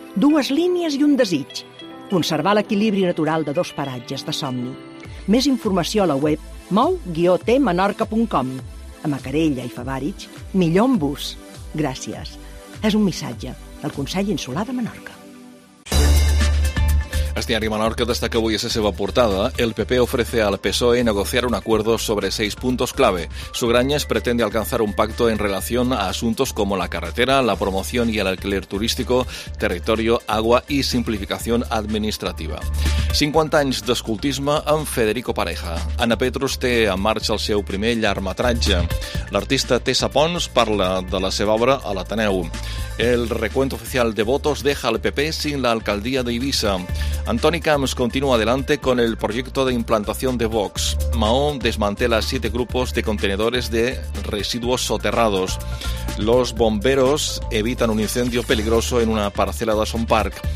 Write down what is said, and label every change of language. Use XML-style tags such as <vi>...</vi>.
<ca>Dues línies i un desig. Conservar l'equilibri natural de dos paratges de somni. Més informació a la web mou-t-menorca.com. A Macarella i Favàrig, millor amb bus. Gràcies. És un missatge del Consell Insular de Menorca. El diari Menorca destaca avui a la seva portada.</ca> <es>El PP ofrece al PSOE negociar un acuerdo sobre 6 puntos clave. Sugrañes pretende alcanzar un pacto en relación a asuntos como la carretera, la promoción y el alquiler turístico, territorio, agua y simplificación administrativa.</es> <ca>50 anys d'escoltisme amb Federico Pareja. Anna Petrus té en marxa el seu primer llargmetratge. L'artista Tessa Pons parla de la seva obra a l'Ateneu.</ca> <es>El recuento oficial de votos deja al PP sin la alcaldía de Eivissa. Antoni Camps continúa adelante con el proyecto de implantación de Vox. Mahón desmantela 7 grupos de contenedores de residuos soterrados. Los bomberos evitan un incendio peligroso en una parcela de Son Park.</es>